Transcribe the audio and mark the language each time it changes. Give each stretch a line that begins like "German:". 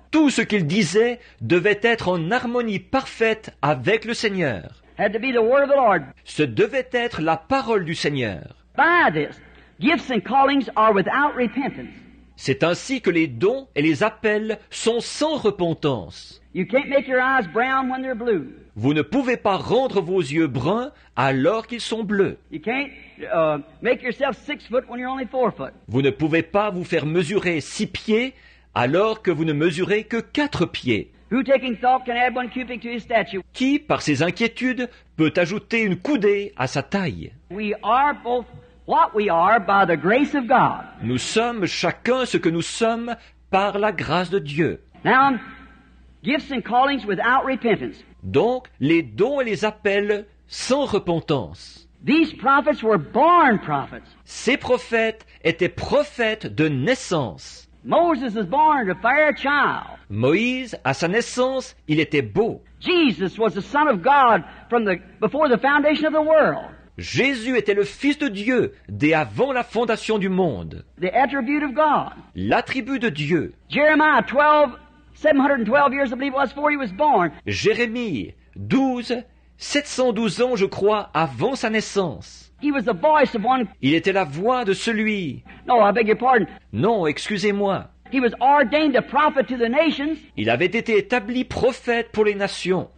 French: Tout ce qu'il disait devait être en harmonie parfaite avec le Seigneur.
English: Had to be the word of the Lord.
French: Ce devait être la parole du Seigneur.
English: By this, gifts and callings are without repentance.
French: C'est ainsi que les dons et les appels sont sans repentance.
English: You can't make your eyes brown when they're blue.
French: Vous ne pouvez pas rendre vos yeux bruns alors qu'ils sont bleus.
English: You can't, make yourself 6 foot when you're only 4 foot.
French: Vous ne pouvez pas vous faire mesurer 6 pieds alors que vous ne mesurez que 4 pieds.
English: Who taking thought can add one cubit to his stature?
French: Qui, par ses inquiétudes, peut ajouter une coudée à sa taille?
English: We are both what we are by the grace of God.
French: Nous sommes chacun ce que nous sommes par la grâce de Dieu.
English: Now, gifts and callings without repentance.
French: Donc, les dons et les appels sans repentance.
English: These prophets were born prophets.
French: Ces prophètes étaient prophètes de naissance.
English: Moses was born a fair child.
French: Moïse, à sa naissance, il était beau.
English: Jesus was the Son of God from the before the foundation of the world.
French: Jésus était le Fils de Dieu dès avant la fondation du monde.
English: The attribute of God.
French: L'attribut de Dieu.
English: Jeremiah 12, 712 years, I believe it was, before he was born.
French: Jérémie 12, 712 ans, je crois, avant sa naissance.
English: He was the voice of one.
French: Il était la voix de celui.
English: No, I beg your pardon.
French: Non, excusez-moi.
English: He was ordained a prophet to the nations.
French: Il avait été établi prophète pour les nations.